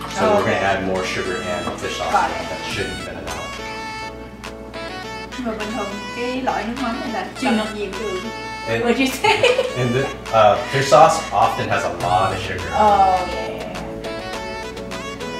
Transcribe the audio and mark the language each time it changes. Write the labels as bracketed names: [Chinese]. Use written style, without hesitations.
[English] So we're gonna add more sugar and fish sauce. Got it. That shouldn't have been enough. [Vietnamese] Rồi bình thường, cái loại nước mắm này là chưa nhiều đường. [English] What'd you say? And fish sauce often has a lot of sugar. Oh, yeah. Do you normally put it one whole lot?